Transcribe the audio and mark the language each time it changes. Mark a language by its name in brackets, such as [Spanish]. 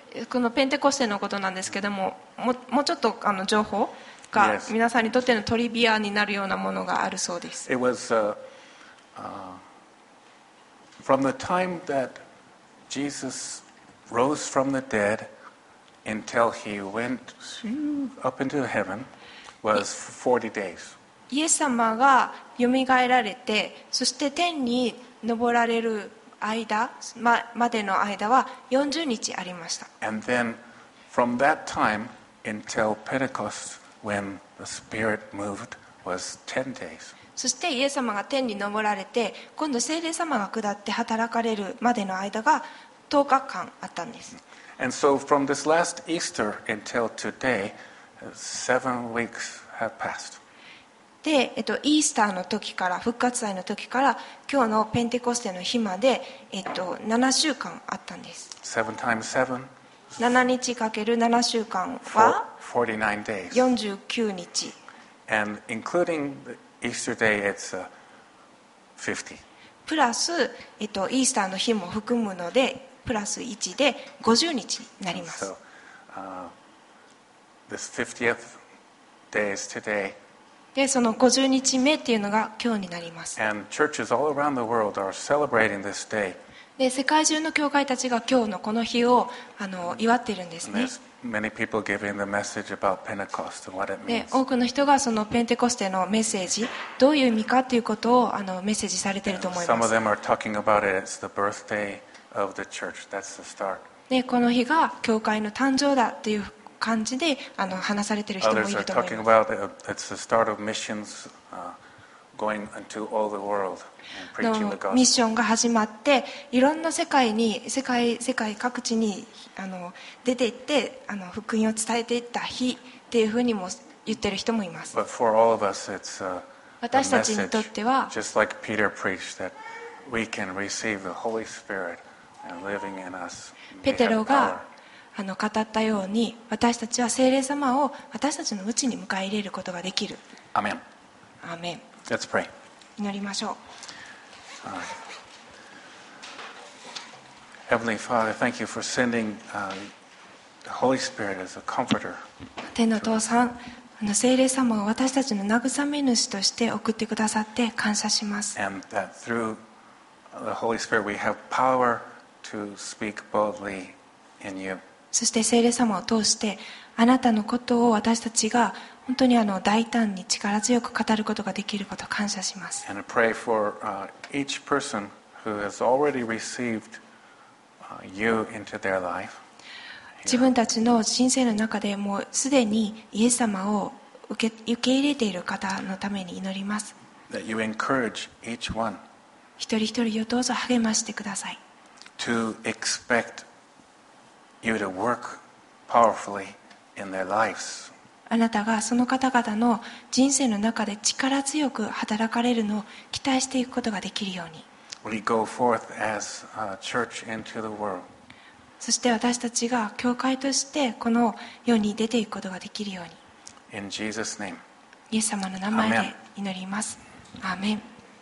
[Japanese] このペンテコステのことなんですけども、もうちょっと情報が皆さんにとってのトリビアになるようなものがあるそうです。 [English] It was from the time that Jesus rose from the dead until he went up into heaven was 40 days. [Japanese] イエス様が蘇られて、そして天に昇られる間までの間は40日ありました。 [English] And then from that time until Pentecost when the Spirit moved was 10 days. [Japanese] そしてイエス様が天に昇られて、今度聖霊様が下って働かれるまでの間が10日間あったんです。 [English] And so from this last Easter until today, 7 weeks have passed. [Japanese] で、イースターの時から復活祭の時から今日のペンテコステの日まで、7週間あったんです。 [English] 7 times 7 [Japanese] 7日かける7週間は49 日。 [English] And including the Easter day, it's 50. [Japanese] プラス、イースターの日も含むのでプラス1で50日になります。 [English] So, this 50th day is today [Japanese] で、その50日目っていうのが今日になります。 [English] And churches all around the world are celebrating this day. [Japanese] で、世界中の教会たちが今日のこの日を祝っているんですね。 [English] Many people giving the message about Pentecost and what it means. [Japanese] で、多くの人がそのペンテコステのメッセージ、どういう意味かということをメッセージされていると思います。 [English] Some of them are talking about it. It's the birthday of the church. That's the start. [Japanese] で、この日が教会の誕生だという感じで話されている人もいると思います。 [English] Others are talking about it. It's the start of missions. Going into all the world and preaching the gospel. [Japanese] ミッションが始まって、いろんな世界に世界各地に出て行って福音を伝えていった日っていうふうにも言ってる人もいます。 [English] But for all of us, it's a message. [Japanese] 私たちにとっては、 [English] just like Peter preached, that we can receive the Holy Spirit and living in us. [Japanese] ペテロが語ったように、私たちは聖霊様を私たちのうちに迎え入れることができる。アメン。アメン。 [English] Let's pray. [Japanese] 祈りましょう。 [English] Heavenly Father, thank you for sending the Holy Spirit as a comforter. [Japanese] 天の父さん、聖霊様を私たちの慰め主として送ってくださって感謝します。 [English] And that through the Holy Spirit we have power to speak boldly in you. [Japanese] そして聖霊様を通してあなたのことを私たちが本当に大胆に力強く語ることができることを感謝します。 [English] And I pray for each person who has already received you into their life. [Japanese] 自分たちの人生の中でもうすでにイエス様を受け入れている方のために祈ります。 [English] That you encourage each one. [Japanese] 一人一人をどうぞ励ましてください。 [English] To expect you to work powerfully in their lives. [Japanese] あなたがその方々の人生の中で力強く働かれるのを期待していくことができるように。 [English] We go forth as a church into the world. [Japanese] そして私たちが教会としてこの世に出ていくことができるように。 [English] In Jesus' name. [Japanese] イエス様の名前で祈ります。アーメン。